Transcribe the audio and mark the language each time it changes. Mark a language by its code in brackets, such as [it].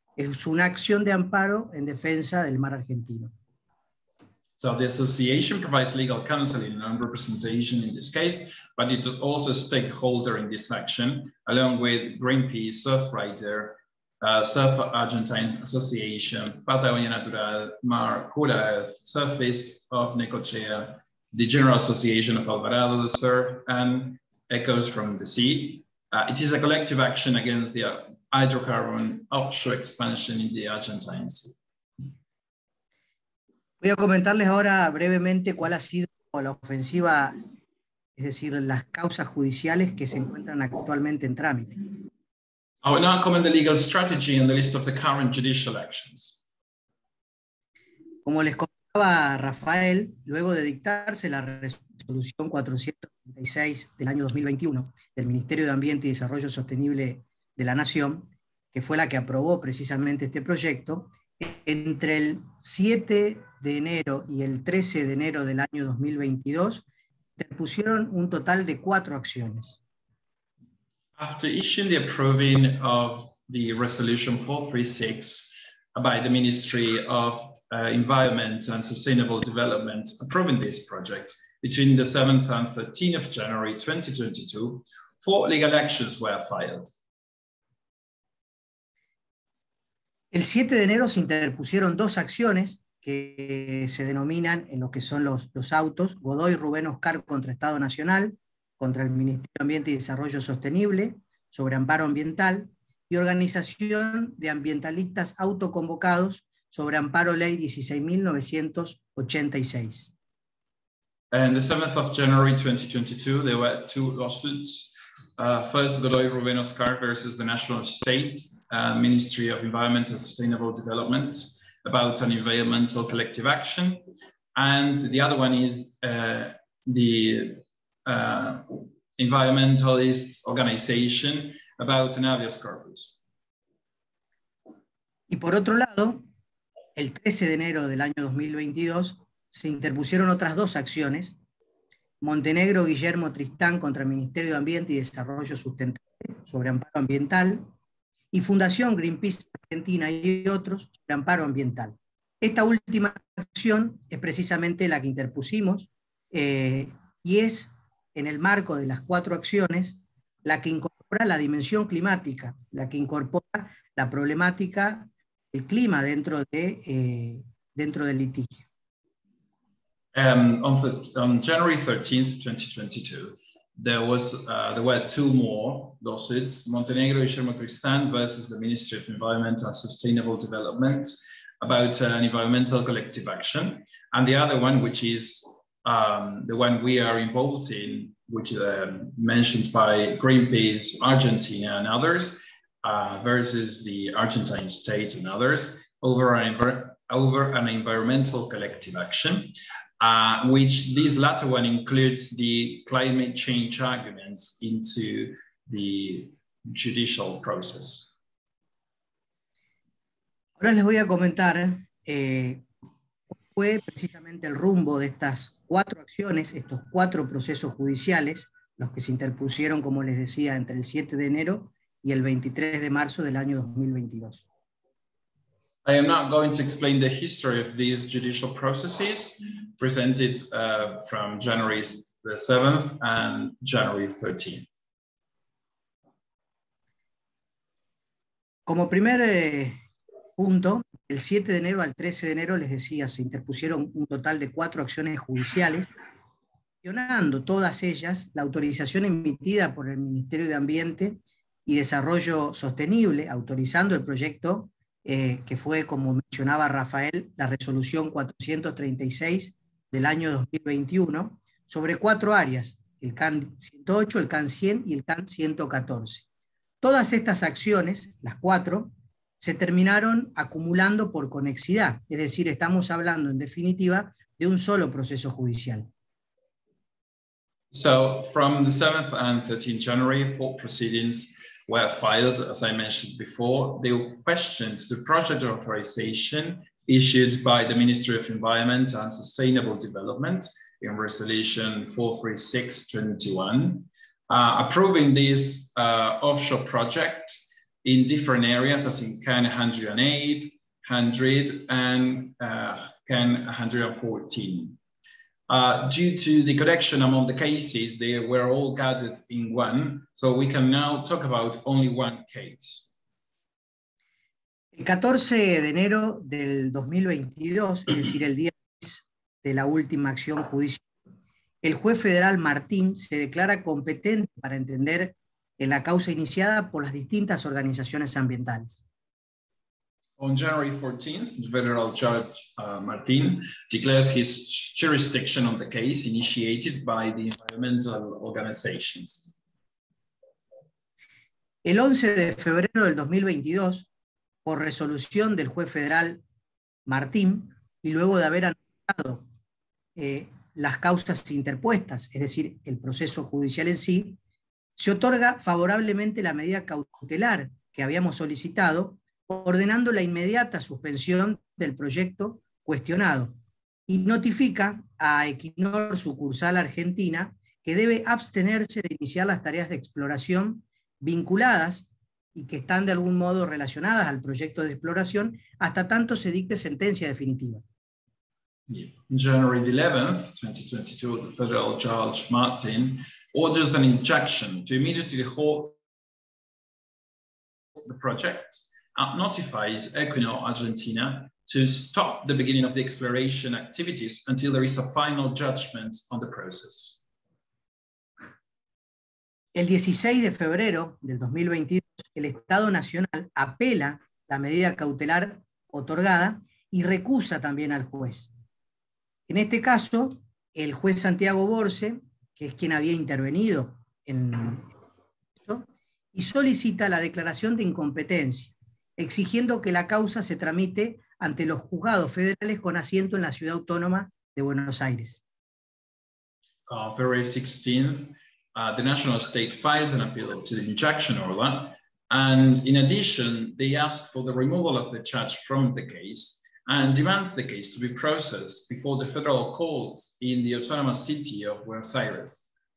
[es] Es una acción de amparo en defensa del mar argentino. [en] So the association provides legal counseling and representation in this case, but it's also a stakeholder in this action, along with Greenpeace, Surfrider, Surf Argentine Association, Patagonia Natural, Mar, Kula, Surfist of Necochea, the General Association of Alvarado del Sur, and Echoes from the Sea. It is a collective action against the hydrocarbon offshore expansion in the Argentine Sea. [es] Voy a comentarles ahora brevemente cuál ha sido la ofensiva, es decir, las causas judiciales que se encuentran actualmente en trámite. [en] I will now comment the legal strategy and the list of the current judicial actions. [es] Como les comentaba Rafael, luego de dictarse la resolución 436 del año 2021 del Ministerio de Ambiente y Desarrollo Sostenible de la Nación, que fue la que aprobó precisamente este proyecto, entre el 7 de enero y el 13 de enero del año 2022, interpusieron un total de 4 acciones. [en] After issuing the approving of the resolution 436 by the Ministry of Environment and Sustainable Development approving this project between the 7th and 13th of January 2022, 4 legal actions were filed. [es] El 7 de enero se interpusieron 2 acciones que se denominan en lo que son los autos Godoy Rubén Oscar contra Estado Nacional, contra el Ministerio de Ambiente y Desarrollo Sostenible, sobre amparo ambiental, y Organización de Ambientalistas Autoconvocados, sobre amparo ley 16.986. [en] And the 7th of January 2022, there were 2 lawsuits. First, Godoy Rubén Oscar versus the National State Ministry of Environment and Sustainable Development about an environmental collective action. And the other one is the environmentalist organization about an habeas corpus. [es] Y por otro lado, el 13 de enero del año 2022 se interpusieron otras 2 acciones, Montenegro Guillermo Tristán contra el Ministerio de Ambiente y Desarrollo Sustentable sobre amparo ambiental y Fundación Greenpeace Argentina y otros sobre amparo ambiental. Esta última acción es precisamente la que interpusimos y es en el marco de las 4 acciones, la que incorpora la dimensión climática, la que incorpora la problemática del clima dentro del litigio. [en] On January 13th, 2022, there were 2 more lawsuits, Montenegro Guillermo Tristán versus the Ministry of Environment and Sustainable Development about an environmental collective action. And the other one, which is the one we are involved in which is mentioned by Greenpeace, Argentina, and others, versus the Argentine state and others, over an environmental collective action, which this latter one includes the climate change arguments into the judicial process. [es] Ahora les voy a comentar cuál fue precisamente el rumbo de estas cuatro acciones, estos cuatro procesos judiciales, los que se interpusieron, como les decía, entre el 7 de enero y el 23 de marzo del año 2022. [en] I am not going to explain the history of these judicial processes presented from January the 7th and January 13th. [es] Como primer punto, el 7 de enero al 13 de enero, les decía, se interpusieron un total de cuatro acciones judiciales, cuestionando todas ellas la autorización emitida por el Ministerio de Ambiente y Desarrollo Sostenible, autorizando el proyecto que fue, como mencionaba Rafael, la resolución 436 del año 2021, sobre cuatro áreas, el CAN 108, el CAN 100 y el CAN 114. Todas estas acciones, las cuatro, se terminaron acumulando por conexidad, es decir, estamos hablando, en definitiva, de un solo proceso judicial. [en] So, from the 7th and 13th January, four proceedings were filed, as I mentioned before. They questioned the project authorization issued by the Ministry of Environment and Sustainable Development in Resolution 43621, approving this offshore project in different areas, as in CAN 108, 100, and CAN 114. Due to the connection among the cases, they were all gathered in one, so we can now talk about only one case. [es] El 14 de enero del 2022, es decir, el día de la última acción judicial, el juez federal Martín se declara competente para entender en la causa iniciada por las distintas organizaciones ambientales. [en] On January 14th, the federal judge Martin declares his jurisdiction on the case initiated by the environmental organizations. [es] El 11 de febrero del 2022, por resolución del juez federal Martín, y luego de haber anotado las causas interpuestas, es decir, el proceso judicial en sí, se otorga favorablemente la medida cautelar que habíamos solicitado, ordenando la inmediata suspensión del proyecto cuestionado, y notifica a Equinor sucursal Argentina que debe abstenerse de iniciar las tareas de exploración vinculadas y que están de algún modo relacionadas al proyecto de exploración hasta tanto se dicte sentencia definitiva. [en] Yeah. January 11th, 2022, the federal judge Martin orders an injunction to immediately halt the project and notifies Equinor Argentina to stop the beginning of the exploration activities until there is a final judgment on the process. [es] El 16 de febrero del 2022, el Estado Nacional apela la medida cautelar otorgada y recusa también al juez. En este caso, el juez Santiago Borse, que es quien había intervenido en esto, y solicita la declaración de incompetencia, exigiendo que la causa se tramite ante los juzgados federales con asiento en la ciudad autónoma de Buenos Aires. [en] February 16th, the National State files an appeal to the injunction order, and in addition, they ask for the removal of the judge from the case, and demands the case to be processed before the federal courts in the autonomous city of Buenos Aires.